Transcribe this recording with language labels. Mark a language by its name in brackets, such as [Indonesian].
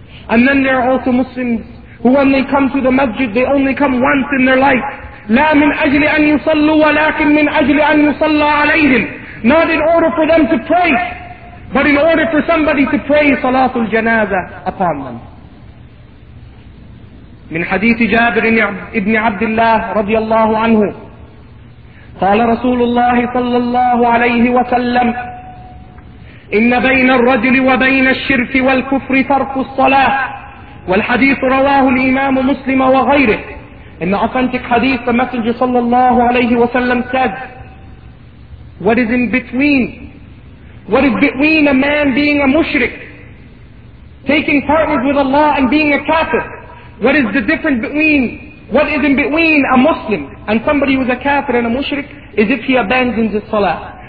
[English] And then there are also Muslims who when they come to the masjid, they only come once in their life. [Arabic] لَا مِنْ أَجْلِ أَنْ يُصَلُّوا وَلَاكِنْ مِنْ أَجْلِ أَنْ يُصَلَّى عَلَيْهِمْ. [English] Not in order for them to pray, but in order for somebody to pray Salatul Janazah upon them. [Arabic] من حديث جابر بن عبد الله رضي الله عنه قال رسول الله صلى الله عليه وسلم إن بين الرجل وبين الشرك والكفر ترك الصلاة. والحديث رواه الإمام مسلم وغيره. [English] In the authentic hadith, the Messenger [Arabic] صلى الله عليه وسلم [English] said, what is in between? What is between a man being a mushrik, taking partners with Allah and being a kafir? What is the difference between, what is in between a Muslim and somebody who is a kafir and a mushrik is if he abandons his salah.